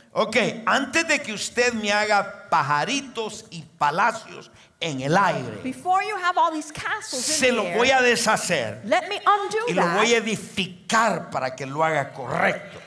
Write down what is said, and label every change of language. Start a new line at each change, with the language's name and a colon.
Spanish: Okay, antes de que usted me haga pajaritos y palacios en el aire,
English: before you have all these castles in the air,
Spanish: se lo voy a deshacer.
English: Let me undo
Spanish: y lo voy a edificar para que lo haga correcto.